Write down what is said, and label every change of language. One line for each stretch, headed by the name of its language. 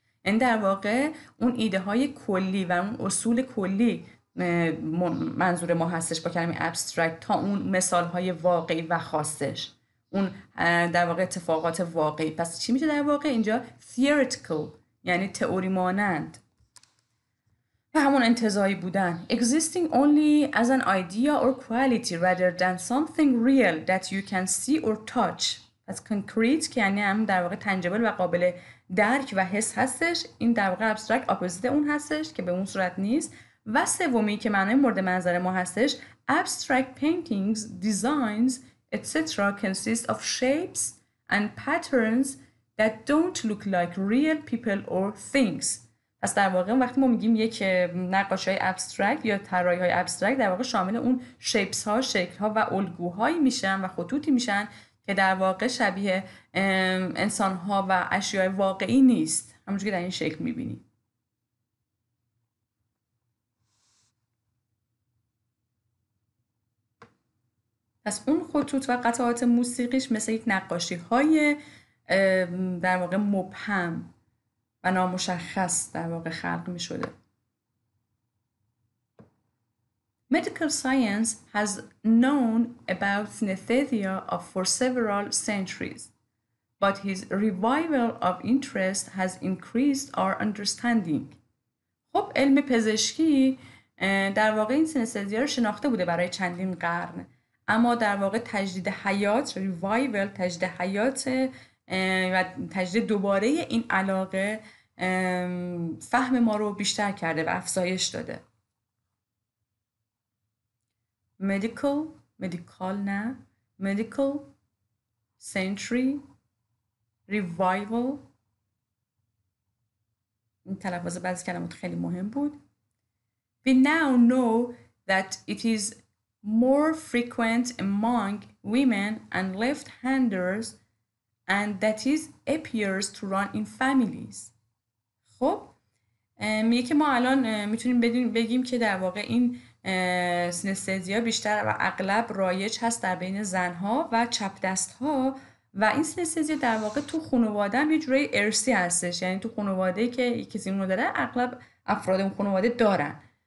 Persian: این در واقع اون ایده های کلی و اون اصول کلی منظور ما هستش با کلمه abstract، تا اون مثال های واقعی و خاصش، اون در واقع اتفاقات واقعی. پس چی میشه در واقع اینجا؟ theoretical یعنی تئوری مانند، همون انتزاعی بودن.
English: Existing only as an idea or quality rather than something real that you can see or touch.
Persian: پس concrete که یعنی هم در واقع تنجبل و قابل درک و حس هستش، این در واقع abstract opposite اون هستش که به اون صورت نیست. و سومی که معنای مورد منظر ما هستش،
English: abstract paintings, designs, etc. consist of shapes and patterns that don't look like real people or things.
Persian: پس در واقع وقتی ما میگیم یک نقاش های ابسترکت یا طراحی های ابسترکت، در واقع شامل اون شیپس ها، شکل ها و الگوهایی میشن و خطوطی میشن که در واقع شبیه انسان ها و اشیاء واقعی نیست، همونجور که در این شکل میبینیم. پس اون خطوط و قطعات موسیقیش مثل یک نقاشی های در واقع مبهم و نامشخص در واقع خلق می شده.
English: Medical science has known about synesthesia for several centuries, but his revival of interest has increased our understanding.
Persian: خب علم پزشکی در واقع این سینستزیا رو شناخته بوده برای چندین قرن، اما در واقع تجدید حیات، revival، تجدید حیات و تجدید دوباره این علاقه فهم ما رو بیشتر کرده و افزایش داده.
English: medical century revival،
Persian: این تلفظ بعضی کلمات خیلی مهم بود.
English: We now know that it is more frequent among women and left-handers and that is appears to run in families.
Persian: خب میگه که ما الان میتونیم بگیم که در واقع این سینستزیا بیشتر و اغلب رایج هست در بین زنها و چپ دستها، و این سینستزیا در واقع تو خانواده هم یه جوری ارثی هستش، یعنی تو خانواده که کسی اونو داره اغلب افراد اون خانواده دارن.